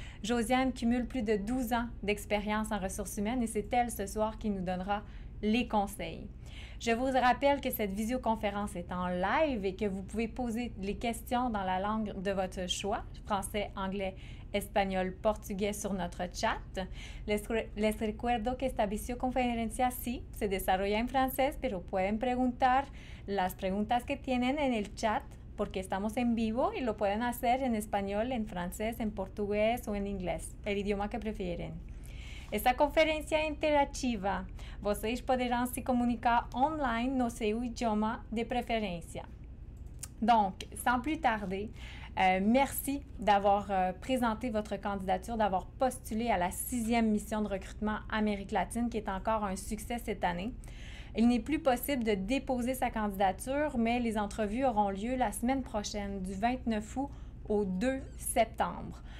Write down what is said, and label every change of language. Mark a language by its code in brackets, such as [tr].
[fr] Josiane cumule plus de 12 ans d'expérience en ressources humaines et c'est elle ce soir qui nous donnera les conseils. Je vous rappelle que cette visioconférence est en live et que vous pouvez poser les questions dans la langue de votre choix, français, anglais, espagnol, portugais sur notre chat. [es] Les recuerdo que esta visioconferencia sí se desarrolla en francés, pero pueden preguntar las preguntas que tienen en el chat porque estamos en vivo y lo pueden hacer en español, en francés, en portugués o en inglés, el idioma que prefieren. Esta conferencia interactiva, [pt] vocês poderão se comunicar online no seu idioma de preferência. [fr] Donc, sans plus tarder, merci d'avoir présenté votre candidature, d'avoir postulé à la 6e mission de recrutement Amérique latine qui est encore un succès cette année. Il n'est plus possible de déposer sa candidature, mais les entrevues auront lieu la semaine prochaine, du 29 août au 2 septembre.